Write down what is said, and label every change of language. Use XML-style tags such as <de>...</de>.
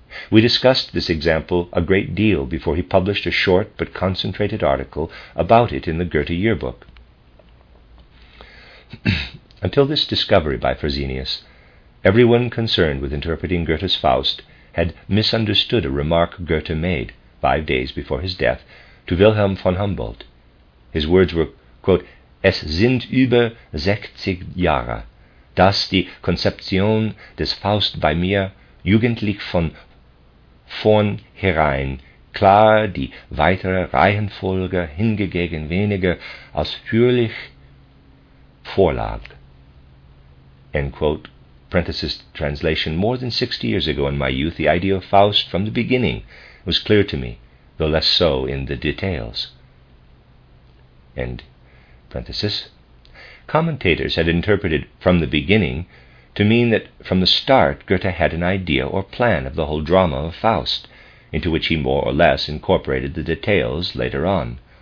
<en>We discussed this example a great deal before he published a short but concentrated article about it in the Goethe Yearbook. Until this discovery by Fresenius, everyone concerned with interpreting Goethe's Faust had misunderstood a remark Goethe made 5 days before his death to Wilhelm von Humboldt. His words were, quote,</en> <de>Es sind über 60 Jahre, dass die Konzeption des Faust bei mir jugendlich von vornherein klar die weitere Reihenfolge hingegen weniger ausführlich vorlag.</de> <en>End quote. Prentice's translation more than 60 years ago in my youth, the idea of Faust from the beginning was clear to me, though less so in the details. End parenthesis. Commentators had interpreted from the beginning to mean that from the start Goethe had an idea or plan of the whole drama of Faust, into which he more or less incorporated the details later on.</en>